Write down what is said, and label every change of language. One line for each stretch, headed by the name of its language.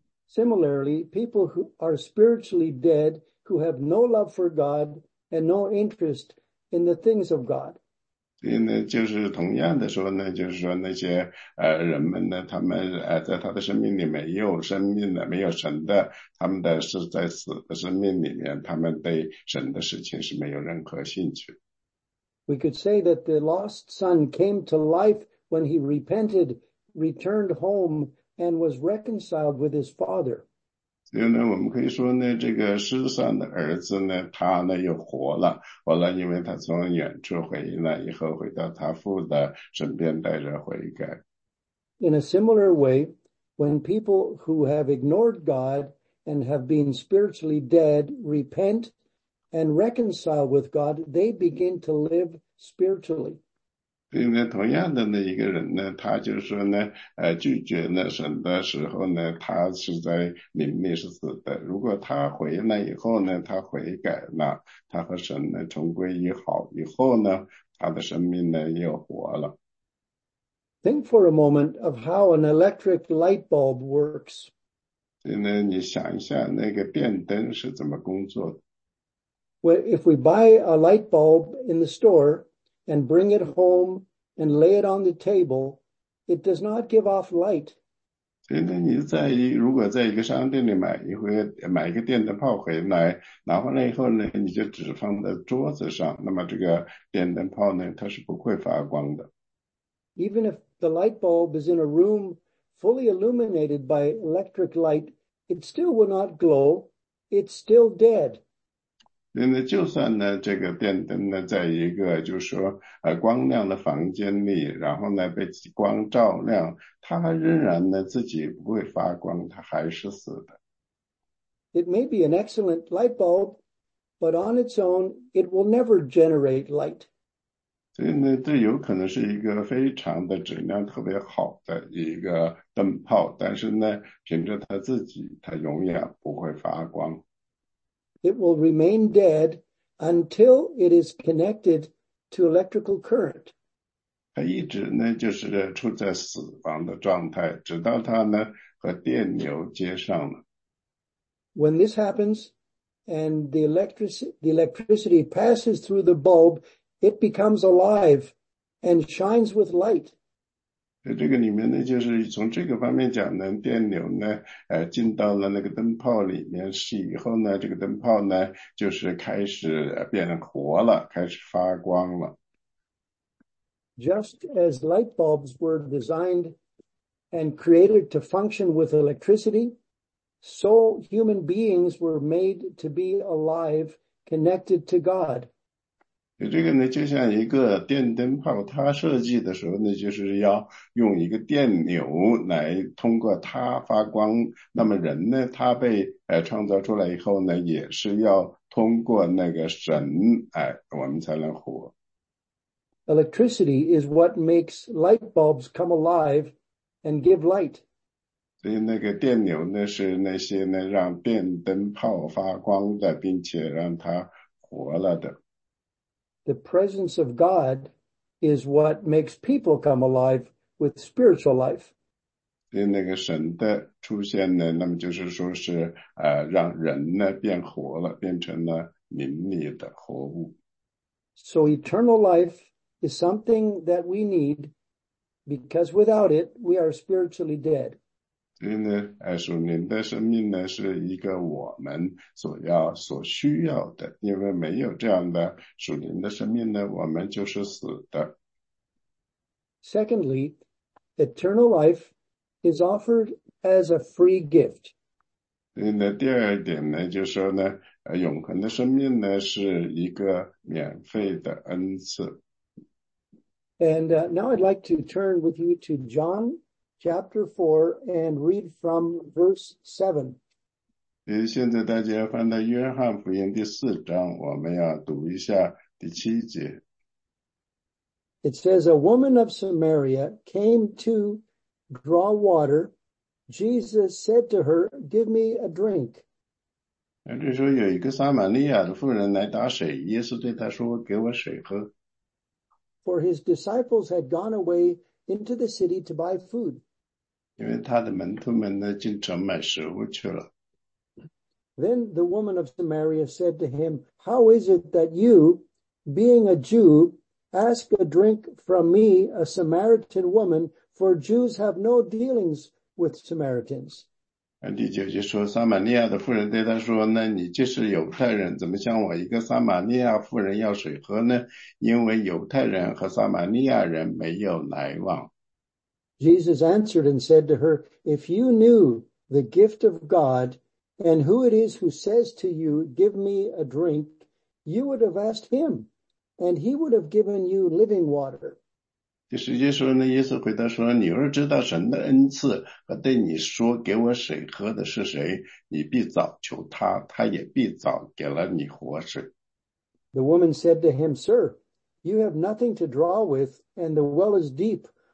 English: Similarly, people who are spiritually dead, who have no love for God,and no interest in the things of God.
Chinese: 所以呢，就是同样的说呢，就是说那些人们呢，他们在他的生命里没有生命的，没有神的，他们的是在死的生命里面，他们对神的事情是没有任何兴趣。
English: We could say that the lost son came to life when he repented, returned home, and was reconciled with his father.
Chinese: 所以呢，我们可以说呢，这个失散的儿子呢，他呢又活了，活了，因为他从远处回来以后，回到他父的身边，带着悔改。
English: In a similar way, when people who have ignored God and have been spiritually dead repent and reconcile with God, they begin to live spiritually.
Chinese: 所以呢，同样的那一个人呢，他就说呢，拒绝呢神的时候呢，他是在灵里是死的。如果他回来以后呢，他悔改了，他和神呢重归于好以后呢，他的生命呢又活了。
English: Think for a moment of how an electric light bulb works.
Chinese: 所以呢，你想一下那个电灯是怎么工作的。
English: Well, if we buy a light bulb in the store,and bring it home and lay it on the table, it does not give off light.
Chinese: 所以你在如果在一个商店里买一个电灯泡回来，拿回来以后呢，你就只放在桌子上，那么这个电灯泡呢，它是不会发光的。
English: Even if the light bulb is in a room fully illuminated by electric light, it still will not glow. It's still dead.
Chinese: 因为就算呢，这个电灯呢，在一个就是说光亮的房间里，然后呢被光照亮，它仍然呢自己不会发光，它还是死的。
English: It may be an excellent light bulb, but on its own, it will never generate light.
Chinese: 所以呢，这有可能是一个非常的质量特别好的一个灯泡，但是呢，凭着它自己，它永远不会发光。
English: It will remain dead until it is connected to electrical current.
Chinese: 它一直呢就是处在死亡的状态，直到它呢和电流接上了。
English: When this happens and the electricity passes through the bulb, it becomes alive and shines with light.
Chinese: 这个里面呢就是从这个方面讲呢电流呢进到了那个灯泡里面是以后呢这个灯泡呢就是开始变活了开始发光了。
English: Just as light bulbs were designed and created to function with electricity, so human beings were made to be alive, connected to God.
Chinese: 这个呢，就像一个电灯泡，它设计的时候呢，就是要用一个电流来通过它发光。那么人呢，他被创造出来以后呢，也是要通过那个神，我们才能活。
English: Electricity is what makes light bulbs come alive and give light.
Chinese: 所以那个电流呢，是那些呢让电灯泡发光的，并且让它活了的。
English: The presence of God is what makes people come alive with spiritual life.
Chinese: 所以那个神的出现呢，那么就是说是让人呢变活了，变成了灵里的活物。
English: So eternal life. Is something that we need because without it, we are spiritually dead.
Chinese: 所以呢，属灵的生命呢，是一个我们所需要的。因为没有这样的属灵的生命呢，我们就是死的。
English: Secondly, eternal life is offered as a free gift.
Chinese: 所以呢，第二点呢，就是说呢，永恒的生命呢，是一个免费的恩赐。
English: And now I'd like to turn with you to John chapter 4 and read from verse 7.
Chinese: 现在大家翻到约翰福音第四章，我们要读一下第七节。
English: It says, A woman of Samaria came to draw water. Jesus said to her, Give me a drink.
Chinese: 这时候有一个撒玛利亚的妇人来打水，耶稣对她说，给我水喝。
English: For his disciples had gone away into the city to buy food.
Chinese: 因为他的门徒们呢，进城买食物去了。
English: Then the woman of Samaria said to him, How is it that you, being a Jew, ask a drink from me, a Samaritan woman, for Jews have no dealings with Samaritans?
Chinese: 第九节说，撒玛利亚的妇人对他说，那你既是犹太人，怎么向我一个撒玛利亚妇人要水喝呢？因为犹太人和撒玛利亚人没有来往。
English: Jesus answered and said to her, If you knew the gift of God and who it is who says to you, Give me a drink, you would have asked him, and he would have given you living water.
Chinese: 第十节说呢，耶稣回答说，你若知道神的恩赐和对你说给我水喝的是谁，你必早求他，他也必早给了你活水。
English: The woman said to him, Sir, you have nothing to draw with, and the well is deep.